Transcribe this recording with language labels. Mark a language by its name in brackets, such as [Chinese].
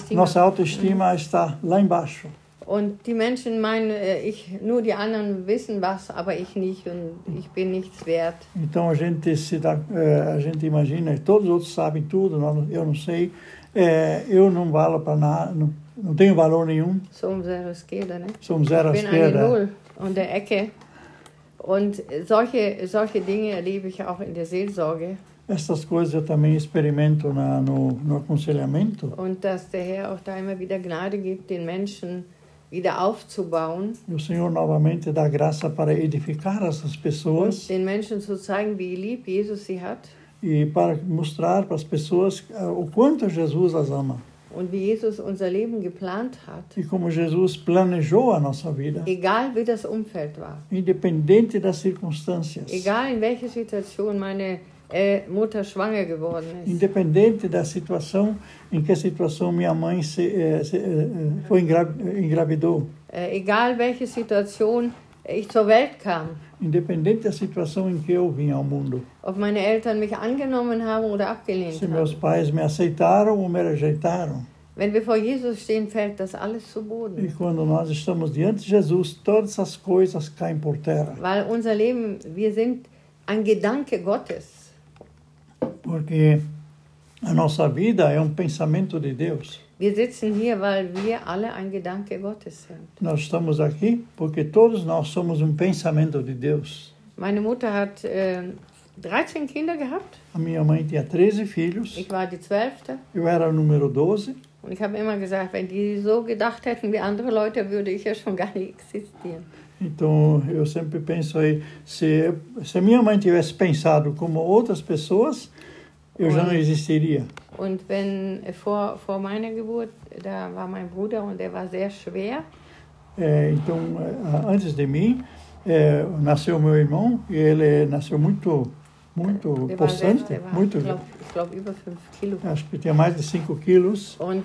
[Portuguese] Nossa autoestima está lá embaixo. [German] Und die Menschen meinen, ich nur die anderen wissen was, aber ich nicht und ich bin nichts wert. [Portuguese] Então a gente imagina que todos os outros sabem tudo, eu não sei, eu não valo para nada. Não tenho valor nenhum. Sou um zero à esquerda, né? Sou um zero à esquerda. [German] Bin eine Null an der Ecke. Und solche Dinge erlebe ich auch in der Seelsorge. [Portuguese] Essas coisas eu também experimento no aconselhamento. [German] Und dass der Herr auch da immer wieder Gnade gibt, den Menschen wieder aufzubauen. [Portuguese] E o Senhor novamente dá graça para edificar essas pessoas. [German] Den Menschen zu zeigen, wie lieb Jesus sie hat. [Portuguese] E para mostrar para as pessoas o quanto Jesus as ama. [German] Und wie Jesus unser Leben geplant hat. [Portuguese] E como Jesus planejou a nossa vida. [German] Egal wie das Umfeld war. [Portuguese] Independente das circunstâncias. [German] Egal in welcher Situation meine Mutter schwanger geworden ist. [Portuguese] Independente da situação, em que situação minha mãe foi engravidou. [German] Egal welche Situation ich zur Welt kam. [Portuguese] Independente da situação em que eu vim ao mundo. [German] Ob meine Eltern mich angenommen haben oder abgelehnt haben. [Portuguese] Se meus pais me aceitaram ou me rejeitaram. [German] Wenn wir vor Jesus stehen, fällt das alles zu Boden. [Portuguese] E quando nós estamos diante de Jesus, todas as coisas caem por terra. [German] Weil unser Leben, wir sind ein Gedanke Gottes. [Portuguese] Porque a nossa vida é pensamento de Deus. [German] Wir sitzen hier, weil wir alle ein Gedanke Gottes sind. [Portuguese] Nós estamos aqui porque todos nós somos pensamento de Deus. [German] Meine Mutter hat 13 Kinder gehabt. [Portuguese] A minha mãe tinha 13 filhos. [German] Ich war die 12. [Portuguese] Eu era número 12. [German] Und ich habe immer gesagt, wenn die so gedacht hätten wie andere Leute, würde ich ja schon gar nicht existieren. [Portuguese] Então, eu sempre penso aí, se minha mãe tivesse pensado como outras pessoas, eu já não existiria. [German] Und wenn vor meiner Geburt, da war mein Bruder und der war sehr schwer. [Portuguese] Então, antes de mim, nasceu meu irmão e ele nasceu muito, muito possante, muito grande. [German] Ich glaube, über 5 Kilo. [Portuguese] Acho que tinha mais de 5 Kilos.